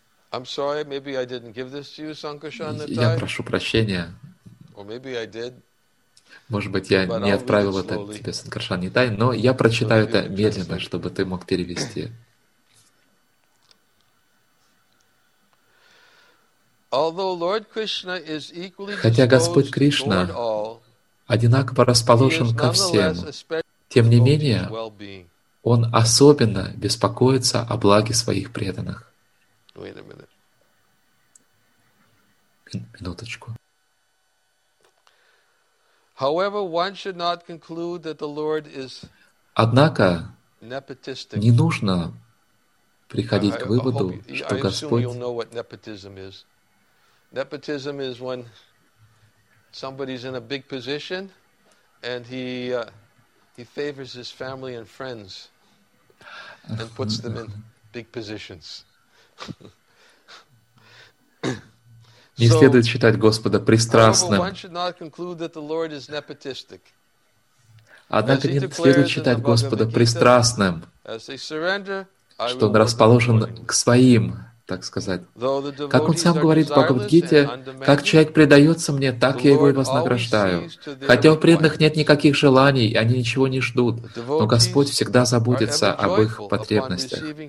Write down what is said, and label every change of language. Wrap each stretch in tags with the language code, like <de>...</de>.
<en>I'm sorry, maybe I didn't give this to you, Sankarshan.</en> <ru>Я прошу прощения.</ru> <en>Or maybe I did.</en> <ru>Может быть, я не отправил это тебе, Санкаршан Нитай, но я прочитаю это медленно, чтобы ты мог перевести.</ru> <en>Although Lord Krishna is equally</en> <ru>Хотя Господь Кришна одинаково расположен ко всем, тем не менее, он особенно беспокоится о благе своих преданных. Минуточку.</ru> <en>However, one should not conclude that the Lord is</en> <ru>Однако, не нужно приходить к выводу, что Господь...</ru> <en>He favors his family and friends and puts them in big positions.</en> <ru>Не следует считать Господа пристрастным.</ru> <en>One should not conclude that the Lord is nepotistic.</en> <ru>Однако не следует считать Господа пристрастным, что Он расположен к Своим, так сказать. Как Он сам говорит в Бхагавад-гите, как человек предается мне, так я его и вознаграждаю. Хотя у преданных нет никаких желаний, и они ничего не ждут, но Господь всегда заботится об их потребностях.</ru>